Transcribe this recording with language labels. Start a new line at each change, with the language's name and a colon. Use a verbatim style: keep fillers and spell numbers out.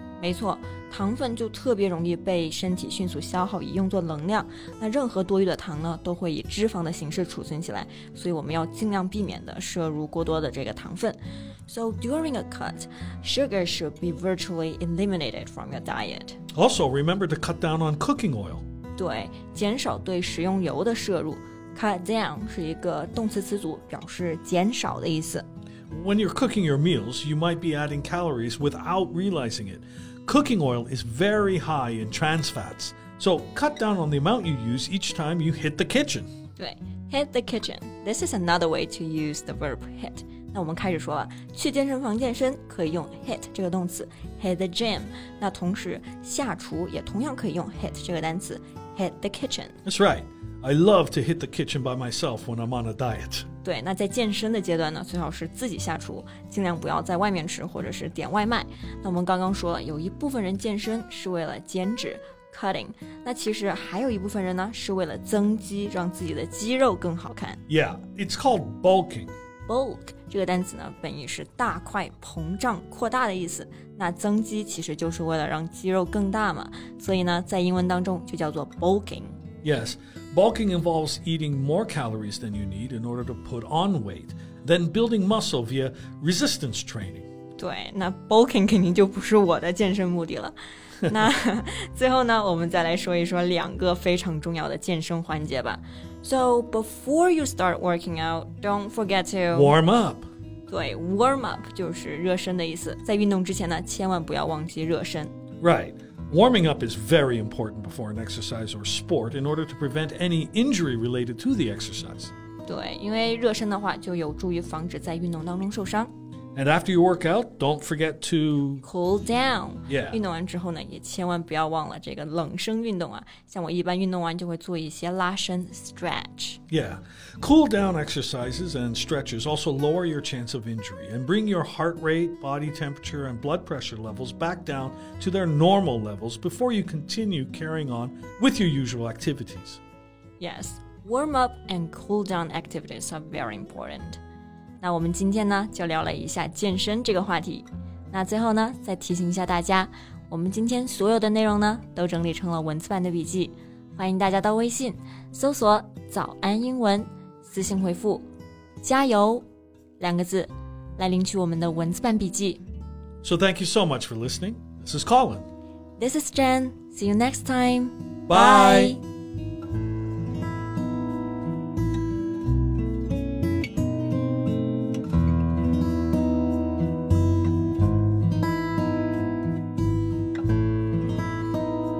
Chinese: 没错，糖分就特别容易被身体迅速消耗以用作能量。那任何多余的糖呢，都会以脂肪的形式储存起来，所以我们要尽量避免的摄入过多的这个糖分。
English: So during a cut, sugar should be virtually eliminated from your diet. Also, remember to cut down on cooking oil.
Chinese: 对，减少对食用油的摄入 Cut down 是一个动词词组，表示减少的意思。
English: When you're cooking your meals, you might be adding calories without realizing it. Cooking oil is very high in trans fats, so cut down on the amount you use each time you hit the kitchen. 对 hit the kitchen. This is another way to use the verb hit.
Chinese: 那我们开始说了，去健身房健身可以用 hit 这个动词
English: hit the gym.
Chinese: 那同时下厨也同样可以用 hit 这个单词
English: hit the kitchen. That's right. I love to hit the kitchen by myself when I'm on a diet.
Chinese: 对，那在健身的阶段呢，最好是自己下厨，尽量不要在外面吃或者是点外卖。那我们刚刚说了，有一部分人健身是为了减脂 cutting， 那其实还有一部分人呢，是为了增肌，让自己的肌肉更好看。
English: Yeah, it's called bulking.
Chinese: Bulk 这个单词呢，本意是大块、膨胀、扩大的意思。那增肌其实就是为了让肌肉更大嘛，所以呢，在英文当中就叫做 bulking.
English: Yes, bulking involves eating more calories than you need in order to put on weight, then building muscle via resistance training.
Chinese: 对，那 bulking 肯定就不是我的健身目的了。那最后呢，我们再来说一说两个非常重要的健身环节吧。
English: So before you start working out, don't forget to warm up.
Chinese: 对 warm up 就是热身的意思，在运动之前呢，千万不要忘记热身。
English: Right, warming up is very important before an exercise or sport in order to prevent any injury related to the exercise.
Chinese: 对，因为热身的话就有助于防止在运动当中受伤。
English: And after you work out, don't forget to... Cool down. Yeah.
Chinese: 运动完之后呢，也千万不要忘了这个冷身运动啊。像我一般运动完就会做一些拉伸 stretch.
English: Yeah. Cool down exercises and stretches also lower your chance of injury and bring your heart rate, body temperature, and blood pressure levels back down to their normal levels before you continue carrying on with your usual activities. Yes. Warm up and cool down activities are very important.
Chinese: 那我们今天呢，就聊了一下健身这个话题。那最后呢，再提醒一下大家，我们今天所有的内容呢，都整理成了文字版的笔记，欢迎大家到微信搜索早安英文，私信回复加油两个字来领取我们的文字版笔记。
English: So thank you so much for listening. This is Colin. This is Jen. See you next time. Bye. Bye. This podcast is from Morning English.